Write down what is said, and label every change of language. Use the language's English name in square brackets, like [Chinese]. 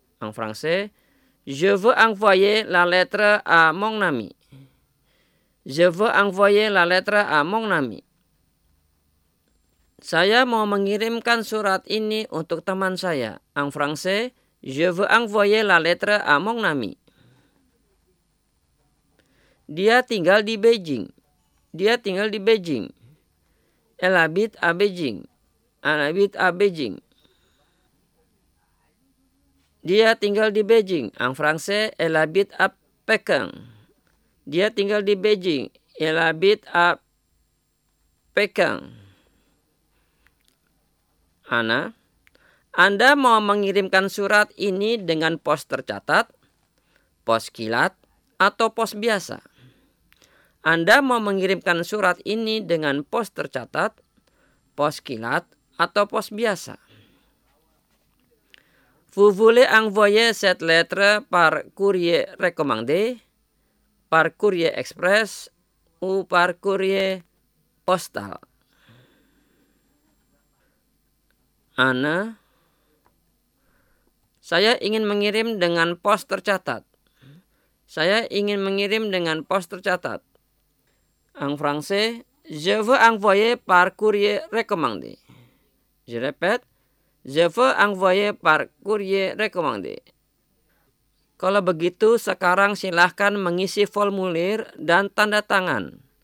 [French] En français, je veux envoyer la lettre à mon ami. Je veux envoyer la lettre à mon ami. [Indonesian] Saya mau mengirimkan surat ini untuk teman saya. [French] En français, je veux envoyer la lettre à mon ami. [Indonesian] Dia tinggal di Beijing. Dia tinggal di Beijing. [French] Elle habite à Beijing. Elle habite à Beijing. [Indonesian] Dia tinggal di Beijing. [French] En français, elle habite à Pékin. [Indonesian] Dia tinggal di Beijing. [French] Elle habite à Pékin. [Indonesian] Anna, Anda mau mengirimkan surat ini dengan pos tercatat, pos kilat, atau pos biasa? Anda mau mengirimkan surat ini dengan pos tercatat, pos kilat, atau pos biasa? [French] Vous voulez envoyer cette lettre par courrier recommandé, par courrier express ou par courrier postal? Anna, [Indonesian] Saya ingin mengirim dengan pos tercatat. Saya ingin mengirim dengan pos tercatat. [French] En français, je veux envoyer par courrier recommandé. Je répète, je veux envoyer par courrier recommandé. [Indonesian] Kalau begitu, sekarang silakan mengisi formulir dan tanda tangan.